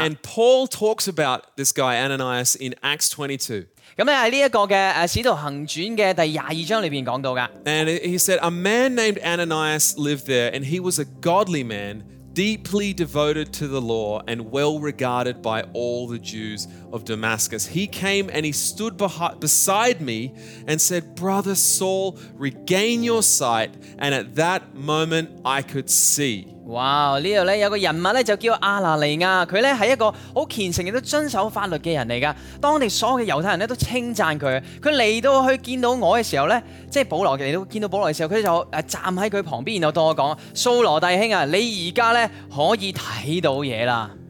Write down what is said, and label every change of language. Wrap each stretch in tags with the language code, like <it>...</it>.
<en>And Paul talks about this guy, Ananias, in Acts 22.</en> <zh>在这个使徒行传的第22章里面讲到的。</zh> <en>And he said, a man named Ananias lived there, and he was a godly man, deeply devoted to the law and well regarded by all the Jews of Damascus. He came and he stood beside me and said, Brother Saul, regain your sight. And at that moment, I could see.</en> <zh>Wow, 这里有个人物叫阿拿尼亚, 他是一个很虔诚的遵守法律的人来的。当地所有的犹太人都称赞他, 他来到去见到我的时候呢, 即是保罗来到见到保罗的时候, 他就站在他旁边, 然后对我说, 扫罗弟兄啊, 你现在可以看到东西了。</zh>